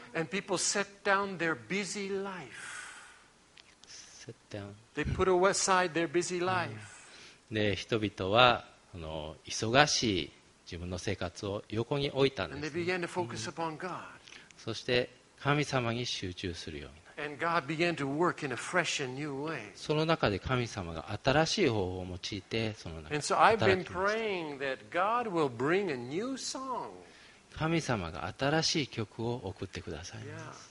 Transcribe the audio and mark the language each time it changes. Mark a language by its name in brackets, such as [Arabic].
[English] People set down their busy life. Set down. They put aside their busy life. [Japanese] で、人々は忙しい自分の生活を横に置いたんです。 [English] And they began to focus upon God. [Japanese] そして神様に集中するようになった。 [English] And God began to work in a fresh and new way. [Japanese] その中で神様が新しい方法を用いてその中で働きました。 [English] And so I've been praying that God will bring a new song. [Japanese] 神様が新しい曲を送ってくださいます